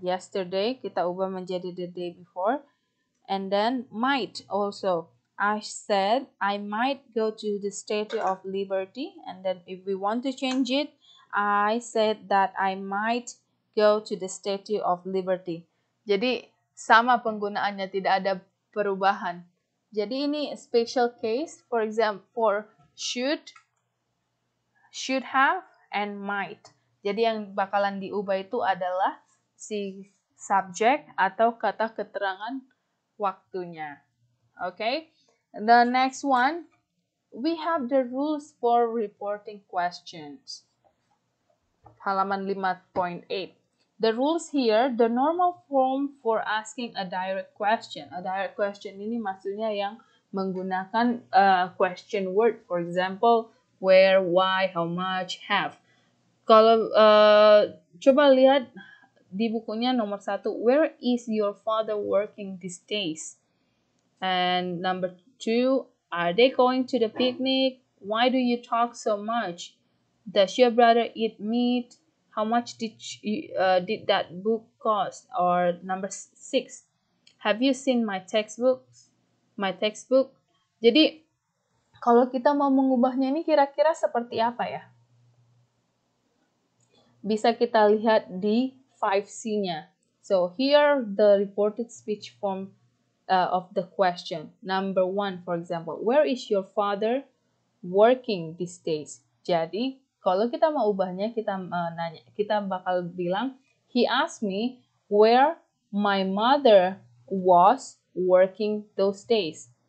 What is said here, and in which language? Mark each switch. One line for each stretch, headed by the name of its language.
English: Yesterday,
Indonesian: kita ubah menjadi
English: the day before. And then might also. I said I might go to the Statue of Liberty. And then if we want to change it, I said that I might go to the Statue of Liberty.
Indonesian: Jadi, sama penggunaannya, tidak ada perubahan. Jadi, ini
English: special case, for example, for should have, and might.
Indonesian: Jadi, yang bakalan diubah itu adalah si subject atau kata keterangan waktunya.
English: Okay? The next one, we have the rules for reporting questions. Halaman 5.8. The rules here, the normal form for asking a direct question. A direct question
Indonesian: ini maksudnya yang menggunakan
English: question word. For example, where, why, how much, have.
Indonesian: Kalau coba lihat di bukunya nomor
English: 1, where is your father working these days? And number 2, are they going to the picnic? Why do you talk so much? Does your brother eat meat? How much did that book cost? Or number 6, have you seen my textbooks? My textbook?
Indonesian: Jadi, kalau kita mau mengubahnya ini kira-kira seperti apa ya? Bisa kita lihat di 5C-nya.
English: So, here the reported speech form of the question. Number 1, for example, where is your father working these days?
Indonesian: Jadi, kalau kita mau ubahnya, kita nanya, kita bakal bilang,
English: he asked me where my mother was working those days.